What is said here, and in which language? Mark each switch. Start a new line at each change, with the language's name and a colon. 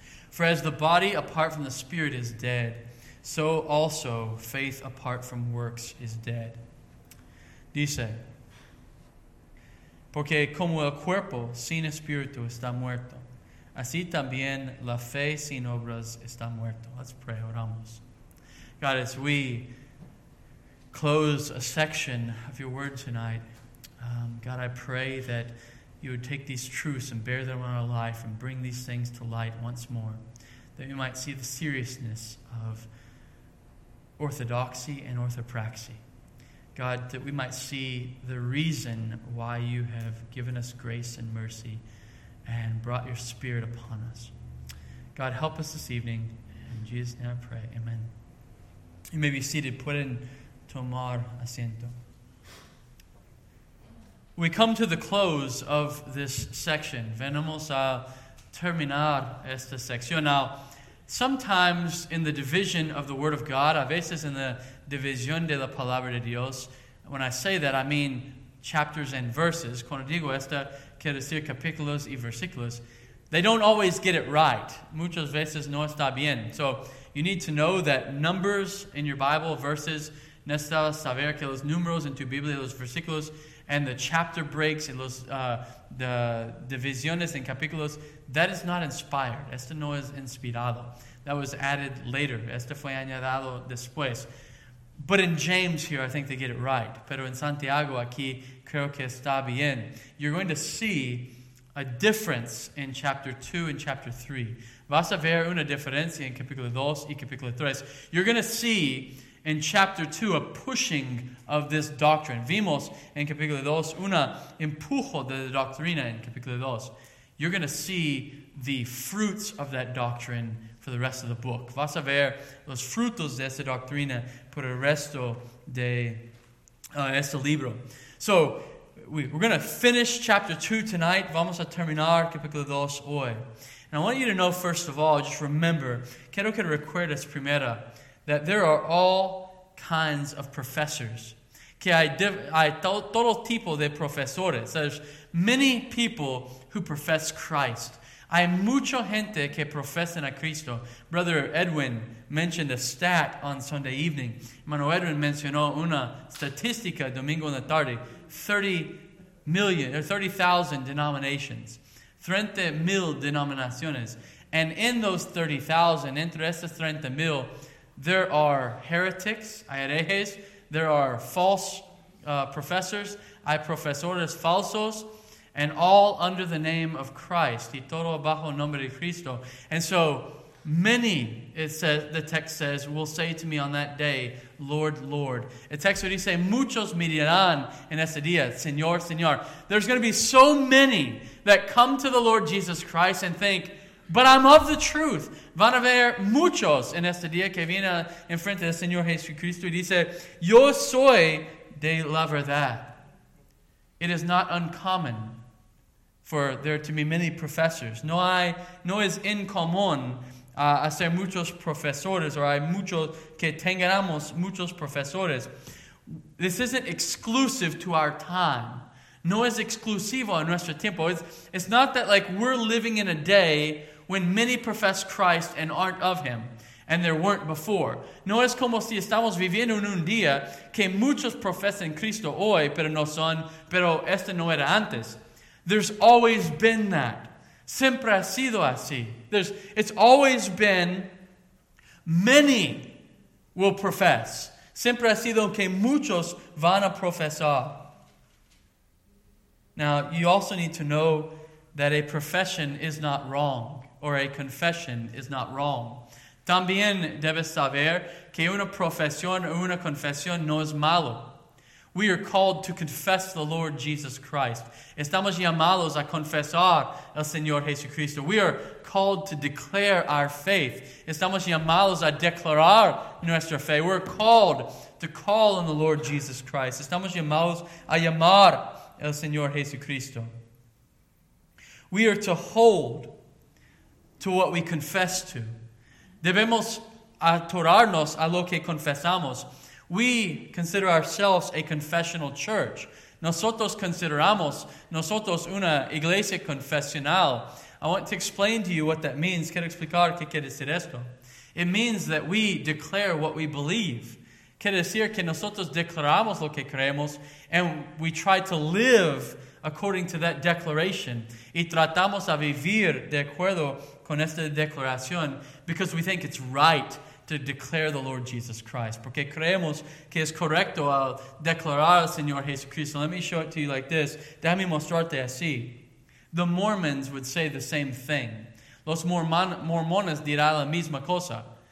English: For as the body apart from the spirit is dead, so also faith apart from works is dead.
Spanish: Dice, porque como el cuerpo sin espíritu está muerto, así también la fe sin obras está muerto.
English: Let's pray,
Spanish: oramos.
English: God, as we close a section of your word tonight, God, I pray that you would take these truths and bear them on our life and bring these things to light once more, that we might see the seriousness of orthodoxy and orthopraxy. God, that we might see the reason why you have given us grace and mercy and brought your spirit upon us. God, help us this evening. In Jesus' name I pray. Amen. You may be seated.
Spanish: Pueden tomar asiento.
English: We come to the close of this section.
Spanish: Venimos a terminar esta sección.
English: Now, sometimes in the division of the Word of God,
Spanish: a veces en la división de la Palabra de Dios,
English: when I say that, I mean chapters and verses.
Spanish: Cuando digo esta, quiero decir capítulos y versículos.
English: They don't always get it right.
Spanish: Muchas veces no está bien.
English: So you need to know that numbers in your Bible, verses,
Spanish: necesitas saber que los números en tu Biblia, los versículos,
English: and the chapter breaks and the
Spanish: divisiones en capítulos,
English: that is not inspired.
Spanish: Esto no es inspirado.
English: That was added later.
Spanish: Esto fue añadido después.
English: But in James here, I think they get it right.
Spanish: Pero en Santiago aquí, creo que está bien.
English: You're going to see a difference in chapter 2 and chapter 3.
Spanish: Vas a ver una diferencia en capítulo 2 y capítulo 3.
English: You're going to see in chapter 2, a pushing of this doctrine.
Spanish: Vimos en capítulo 2, una empujo de la doctrina en capítulo 2.
English: You're going to see the fruits of that doctrine for the rest of the book.
Spanish: Vas a ver los frutos de esa doctrina por el resto de este libro.
English: So, we're going to finish chapter 2 tonight.
Spanish: Vamos a terminar capítulo 2 hoy.
English: And I want you to know, first of all, just remember,
Spanish: quiero que recuerdes primero,
English: that there are all kinds of professors.
Spanish: Que hay todo tipo de profesores.
English: There's many people who profess Christ.
Spanish: Hay mucha gente que profesan a Cristo.
English: Brother Edwin mentioned a stat on Sunday evening.
Spanish: Hermano Edwin mencionó una estadística domingo en la tarde.
English: 30,000 denominations.
Spanish: 30,000 denominaciones.
English: And in those 30,000,
Spanish: entre esas 30,000,
English: there are heretics,
Spanish: hay herejes,
English: there are false professors,
Spanish: hay profesores falsos,
English: and all under the name of Christ,
Spanish: y todo bajo el nombre de Cristo.
English: And so many, it says, the text says, will say to me on that day, Lord, Lord.
Spanish: El texto dice, muchos me dirán en ese día, Señor, Señor.
English: There's going to be so many that come to the Lord Jesus Christ and think, but I'm of the truth.
Spanish: Van a ver muchos en este día que viene en frente del Señor Jesucristo y dice, yo soy de la verdad.
English: It is not uncommon for there to be many professors.
Spanish: No es incomún hacer muchos profesores, or hay muchos que tengamos muchos profesores.
English: This isn't exclusive to our time.
Spanish: No es exclusivo a nuestro tiempo.
English: It's not that like we're living in a day when many profess Christ and aren't of Him, and there weren't before.
Spanish: No es como si estamos viviendo en un día que muchos profesan Cristo hoy, pero no son, pero este no era antes.
English: There's always been that.
Spanish: Siempre ha sido así.
English: It's always been many will profess.
Spanish: Siempre ha sido que muchos van a profesar.
English: Now, you also need to know that a profession is not wrong. Or a confession is not wrong.
Spanish: También debes saber que una profesión o una confesión no es malo.
English: We are called to confess the Lord Jesus Christ.
Spanish: Estamos llamados a confesar al Señor Jesucristo.
English: We are called to declare our faith.
Spanish: Estamos llamados a declarar nuestra fe.
English: We're called to call on the Lord Jesus Christ.
Spanish: Estamos llamados a llamar al Señor Jesucristo.
English: We are to hold to what we confess to.
Spanish: Debemos atorarnos a lo que confesamos.
English: We consider ourselves a confessional church.
Spanish: Nosotros consideramos nosotros una iglesia confesional.
English: I want to explain to you what that means.
Spanish: Quiero explicar qué quiere decir esto.
English: It means that we declare what we believe.
Spanish: Quiere decir que nosotros declaramos lo que creemos
English: and we try to live according to that declaration.
Spanish: Y tratamos a vivir de acuerdo con esta declaración
English: because we think it's right to declare the Lord Jesus Christ.
Spanish: Porque creemos que es correcto al declarar al Señor Jesucristo.
English: Let me show it to you like this.
Spanish: Déjame mostrarte así.
English: The Mormons would say the same thing.
Spanish: Los mormones dirán la misma cosa.